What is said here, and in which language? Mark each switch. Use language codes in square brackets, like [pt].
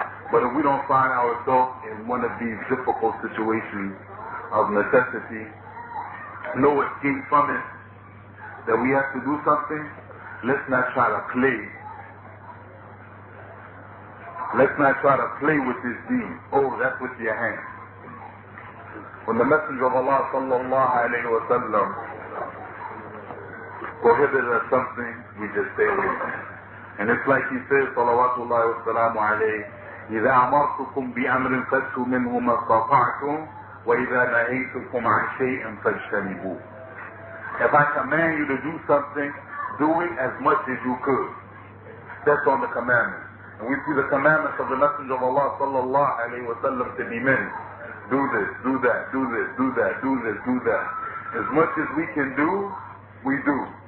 [en] But if we don't find ourselves in one of these difficult situations of necessity, no escape from it, that we have to do something, let's not try to play. Let's not try to play with this deen. Oh, that's with your hand. When the Messenger of Allah sallallahu alayhi wa sallam prohibited us something, we just stay away from it. And it's like he says, salawatullahi wa sallamu alayhi, [ar] إِذَا أَمَرْتُكُمْ بِأَمْرٍ فَاتُّوا مِنْهُ مَا اسْتَطَعْتُمْ وَإِذَا نَهَيْتُكُمْ عَنْ شَيْءٍ فَاجْتَنِبُوهُ. [en] If I command you to do something, do it as much as you could. That's on the commandments. And we see the commandments of the Messenger of Allah sallallahu alayhi wa sallam to be many. Do this, do that, do this, do that, do this, do that. As much as we can do, we do.